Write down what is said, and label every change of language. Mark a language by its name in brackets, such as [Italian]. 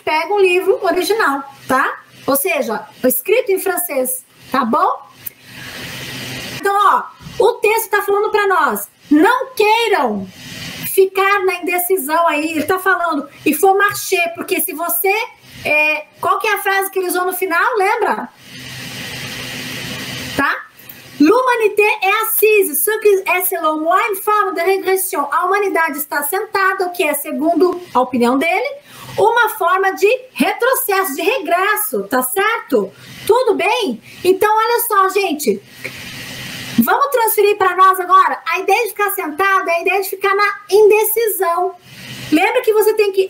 [Portuguese] Pega um livro original, tá? Ou seja, escrito em francês, tá bom? Então, ó, o texto tá falando pra nós. Não queiram ficar na indecisão aí. Ele tá falando, e for marché, porque se você... É, qual que é a frase que ele usou no final, lembra? Tá? [French] L'humanité est assise, ce qui est selon moi une forme de régression. [Portuguese] A humanidade está sentada, o que é, segundo a opinião dele, uma forma de retrocesso, de regresso, tá certo? Tudo bem? Então, olha só, gente. Vamos transferir para nós agora? A ideia de ficar sentada é a ideia de ficar na indecisão. Lembra que você tem que...